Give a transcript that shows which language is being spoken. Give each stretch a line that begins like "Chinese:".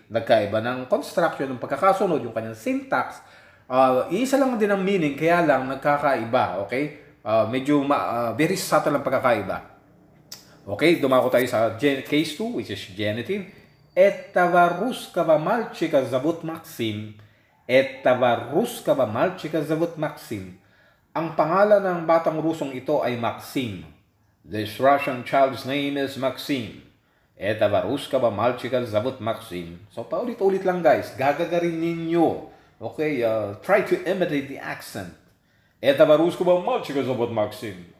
Filipino: Nagkaiba ng construction, ng pagkakasunod, yung kanyang syntax. Isa lang din ang meaning, kaya lang nagkakaiba, okay?
English: Very subtle
Filipino: ang pagkakaiba.
English: Okay,
Filipino: dumako tayo sa
English: case 2, which is genitive.
Russian: Этого русского мальчика зовут Максим. Этого русского мальчика зовут Максим.
Filipino: Ang pangalan ng batang Rusong ito ay Максим.
English: This Russian child's name is Максим.
Russian: Этого русского мальчика зовут Максим.
English: So,
Filipino: paulit-ulit лang,
English: guys. Гагагарин ninyo. Okay, try to imitate the accent.
Russian: Этого русского мальчика зовут Максим.